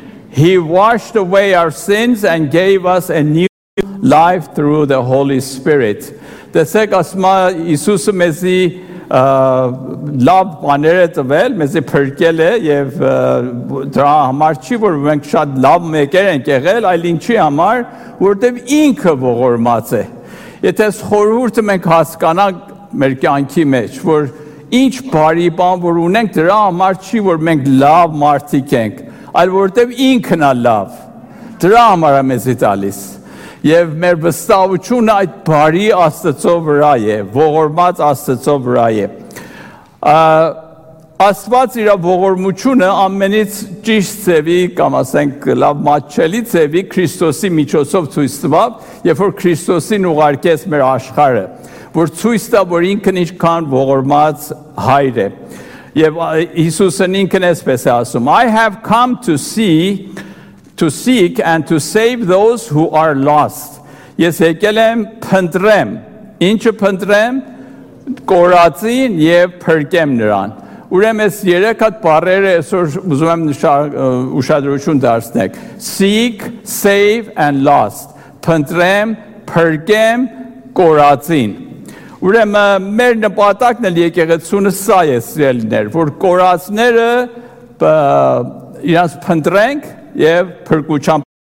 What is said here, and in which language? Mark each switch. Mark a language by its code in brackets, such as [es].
[en] He washed away our sins and gave us a new life through the Holy Spirit. [hy] Տեսեք ասում է Իսուսը մեզի լավ բաները տվել, մեզի փրկել է եւ դրա համար չի, որ մենք շատ լավ մեկեր ենք եղել, այլ ինչի համար, որտեղ ինքը ողորմած է։ Եթե այս խորհուրդը մենք հասկանանք մեր կյանքի մեջ, որ ինչ բարի բան որ ունենք, դրա համար չի, որ մենք լավ մարդիկ ենք, այլ որտեղ ինքն է լավ, դրա համար է մեզի տալիս։ Եվ մեր վստահությունը այդ բարի Աստծո վրա է, ողորմած Աստծո վրա է։ Աստված իր ողորմությունը ամենից ճիշտ ձևի, կամ ասենք լավ մատչելի ձևի Քրիստոսի միջոցով ցույց տվավ, երբ որ Քրիստոսին ուղարկեց մեր աշխարհը, որ ցույց տա, որ ինքն ինչքան ողորմած հայր է։ Եվ Հիսուսը ինքն էսպես է ասում. [en] I have come to seek and to save those who are lost. [hy] Ես եկել եմ փնտրեմ, ինչը փնտրեմ, կորածին եւ փրկեմ նրան։ Ուրեմն այս երեք հատ բառերը այսօր ուզում եմ ուշադրություն դարձնել. [en] Seek, save and lost. [hy] Փնտրեմ, փրկեմ, կորածին։ Ուրեմն մեր նպատակն էլ եկեղեցունը սա է սիրելիներ, որ կորածները իրաց փնտրենք Եվ փրկության